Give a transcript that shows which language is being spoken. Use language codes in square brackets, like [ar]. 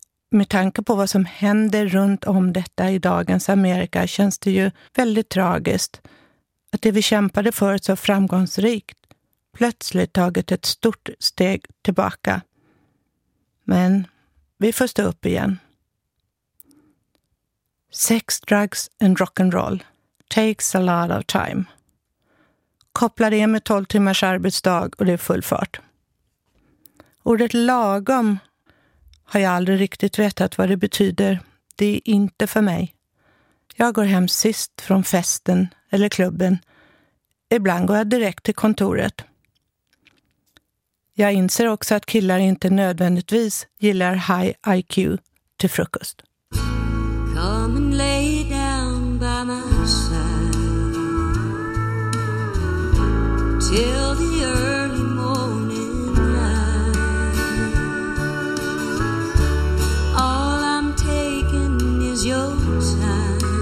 [sv] Med tanke på vad som händer runt om detta i dagens Amerika känns det ju väldigt tragiskt att det vi kämpade för så framgångsrikt plötsligt tagit ett stort steg tillbaka. Men vi får stå upp igen. [en] Sex, drugs and rock and roll takes a lot of time. [sv] Koppla det med 12 timmars arbetsdag och det är full fart. Ordet lagom har jag aldrig riktigt vetat vad det betyder. Det är inte för mig. Jag går hem sist från festen eller klubben. Ibland går jag direkt till kontoret. Jag inser också att killar inte nödvändigtvis gillar high IQ till frukost. [en] Come and lay down by my side till the early morning light. All I'm taking is your time.